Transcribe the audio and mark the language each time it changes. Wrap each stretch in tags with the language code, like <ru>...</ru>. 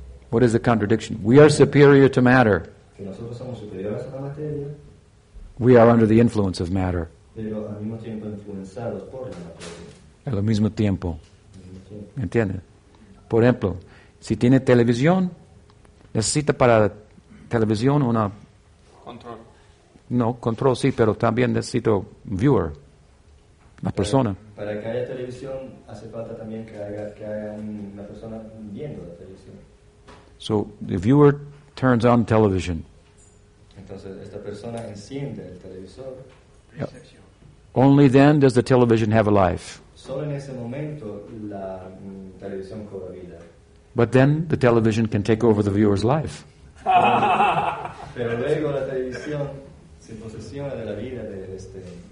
<en>What is the contradiction? We are superior to matter.</en> <es>Que nosotros somos superiores a la materia.</es> <en>We are under the influence of matter.</en> <es>Pero al mismo tiempo influenciados por la materia. Al mismo tiempo. ¿Me entiendes? Por ejemplo, si tiene televisión, necesita para la televisión una... Control. No, control sí, pero también necesito viewer, la persona. Para que haya televisión hace falta también que haya una persona viendo la televisión.</es> <en>So the viewer turns on television.</en> <es>Entonces esta persona enciende el televisor.</es> <en>Yeah. Only then does the television have a life.</en> <es>Solo en ese momento la televisión cobra vida.</es> <en>But then the television can take over the viewer's life.</en> <es>Pero luego la televisión se posesiona de la vida de este</es>